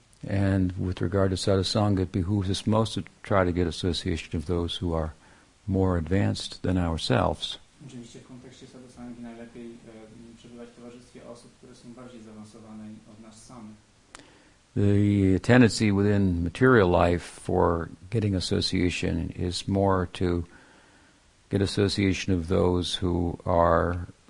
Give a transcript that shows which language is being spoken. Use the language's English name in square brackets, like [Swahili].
[English] And with regard to sadhu sangha, it behooves us most to try to get association of those who are more advanced than ourselves. [Polish] Oczywiście w kontekście sadhu sangha najlepiej przebywać w towarzystwie osób, które są bardziej zaawansowane od nas samych. [English] The tendency within material life for getting association is more to get association of those who are